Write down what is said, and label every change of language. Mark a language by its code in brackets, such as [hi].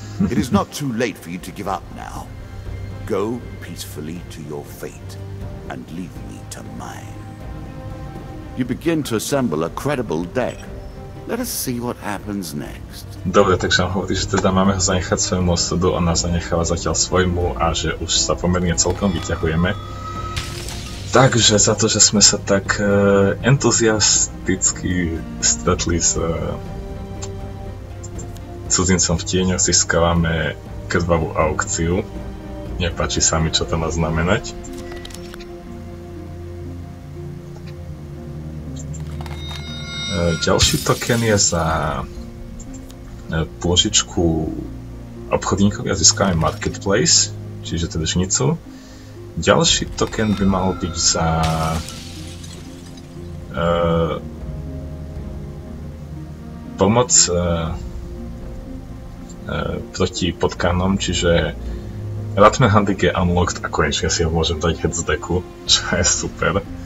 [en] It is not too late for you to give up now. Go peacefully to your fate and leave me to mine. You begin to assemble a credible deck. Let us see what happens next. [sk] Dobre, takže on hovorí, že teda máme ho zanechať svojmu osudu, ona zanecháva zatiaľ svojmu a že už sa pomerne celkom vyťahujeme. Takže za to, že sme sa tak entuziasticky stretli s cudzincom v tieňoch, získavame krvavú aukciu. Nepáči sa mi, čo to má znamenať. Ďalší token je za pôžičku obchodníkov, ja získavam marketplace, čiže teda žnicu. Ďalší token by mal byť za pomoc proti potkanom, čiže Ratman Handic je unlocked a konečne si ho môžem dať head z decku, čo je super.